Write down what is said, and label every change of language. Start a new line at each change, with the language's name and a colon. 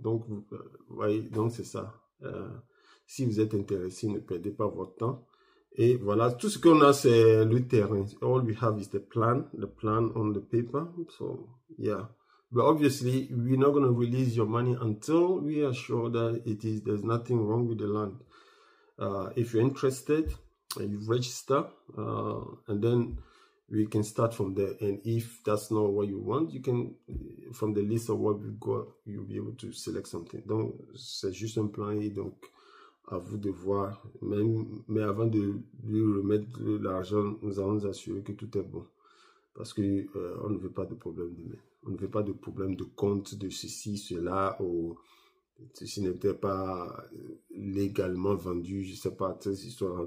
French: Donc, vous voyez, donc c'est ça. Si vous êtes intéressé, ne perdez pas votre temps. Et voilà, tout ce qu'on a, c'est le terrain.
English: All we have is the plan on the paper. So, yeah. But obviously, we're not going to release your money until we are sure that it is, there's nothing wrong with the land. If you're interested, you register, and then we can start from there. And if that's not what you want, you can, from the list of what we've got, you'll be able to select something.
French: Donc, c'est juste un plan et donc, à vous de voir. Mais avant de lui remettre l'argent, nous allons nous assurer que tout est bon. Parce que, on ne veut pas de problème demain. On ne veut pas de problème de compte de ceci, cela, ou ceci n'était pas légalement vendu, je sais pas, ces histoires-là.